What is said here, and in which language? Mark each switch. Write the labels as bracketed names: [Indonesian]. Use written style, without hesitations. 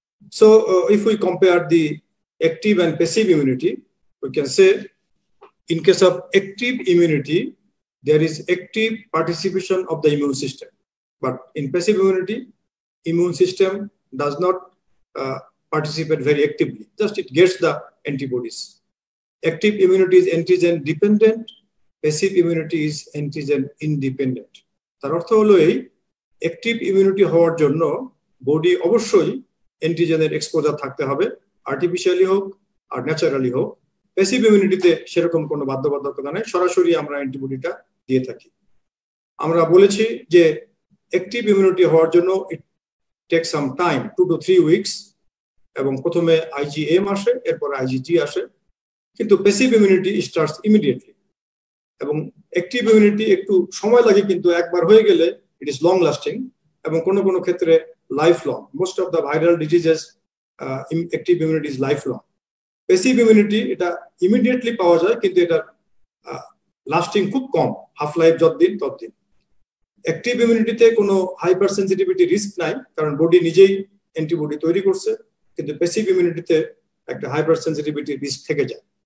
[English] So if we compare the active and passive immunity, we can say in case of active immunity, there is active participation of the immune system. But in passive immunity, immune system does not participate very actively. Just it gets the antibodies. Active immunity is antigen dependent. Passive immunity is antigen independent. [Bangla] তার অর্থ হলো এই, active immunity হওয়ার জন্য body অবশ্যই antigen এর exposure থাকতে হবে, artificially হোক আর naturally হোক. Passive immunity তে সেরকম কোনো বাধ্যবাধকতা নেই, সরাসরি আমরা antibodyটা দিয়ে থাকি. আমরা বলেছি যে active immunity হওয়ার জন্য [English] it takes some time, 2 to 3 weeks. [Bangla] এবং প্রথমে IgM আসে, এরপর IgG আসে. কিন্তু [English] passive immunity starts immediately. [Bangla] এবং active immunity একটু সময় লাগে, কিন্তু একবার হয়ে গেলে [English] it is long lasting [Bangla] এবং কোন কোন ক্ষেত্রে lifelong. [English] Most of the viral diseases, active immunity is lifelong. [Bangla] Passive immunity এটা immediately পাওয়া যায়, কিন্তু এটা lasting খুব কম, half life যতদিন ততদিন. Active immunity তে কোনো hypersensitivity risk নাই, কারণ body নিজেই antibody তৈরি করছে. কিন্তু passive immunity তে একটা hypersensitivity risk থেকে যায়.